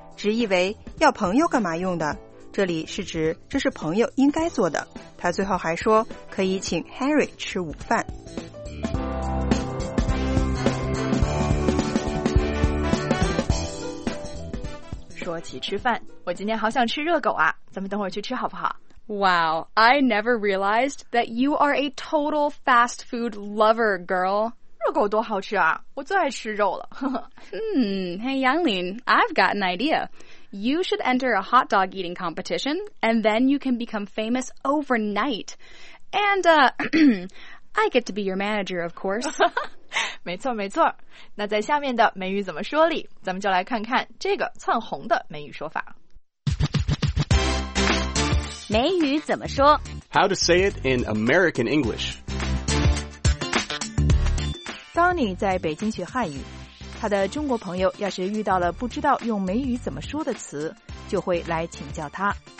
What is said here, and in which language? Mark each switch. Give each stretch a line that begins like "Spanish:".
Chinese: 直译为要朋友干嘛用的，这里是指这是朋友应该做的。他最后还说可以请 Harry 吃午饭。说起吃饭，我今天好想吃热狗啊，咱们等会儿去吃好不好？
English: Wow, I never realized that you are a total fast food lover, girl.
Chinese: 热狗多好吃啊，我最爱吃肉了。
English: Hey, Yanglin, I've got an idea. You should enter a hot dog eating competition, and then you can become famous overnight. And, I get to be your manager, of course.
Chinese: 没错没错，那在下面的美语怎么说里，咱们就来看看这个窜红的美语说法。美语怎么说？
English: How to say it in American English.
Chinese: Donny 在北京学汉语，他的中国朋友要是遇到了不知道用美语怎么说的词，就会来请教他。